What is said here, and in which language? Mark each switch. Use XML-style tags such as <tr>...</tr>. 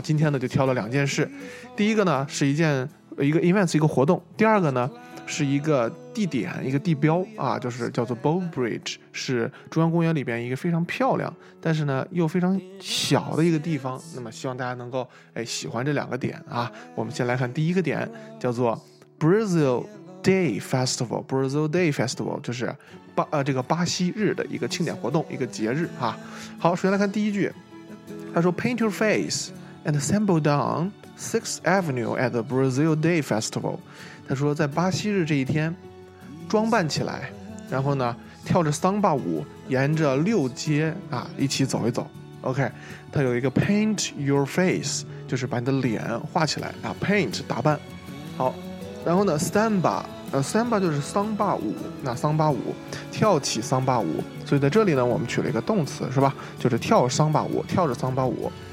<zh>今天呢就挑了两件事，第一个呢是一个 events 一个活动，第二个呢是一个地点，一个地标啊，就是叫做 Bow Bridge， 是中央公园里边一个非常漂亮但是呢又非常小的一个地方。那么希望大家能够喜欢这两个点啊。我们先来看第一个点，叫做 Brazil Day Festival， 就是这个巴西日的一个庆典活动，一个节日啊。</zh> <en>好，首先来看第一句，</en> <zh>他说</zh> <en>Paint your face and assemble down6th Avenue at the Brazil Day Festival。</en> <zh>他说在巴西日这一天装扮起来，然后呢跳着桑巴舞沿着六街啊一起走一走。 OK， 他有一个</zh> <en>Paint your face，</en> <zh>就是把你的脸画起来啊， Paint 打扮。好，然后呢 Samba 就是桑巴舞，那桑巴舞跳起桑巴舞，所以在这里呢我们取了一个动词是吧，就是跳桑巴舞，跳着桑巴舞。</zh>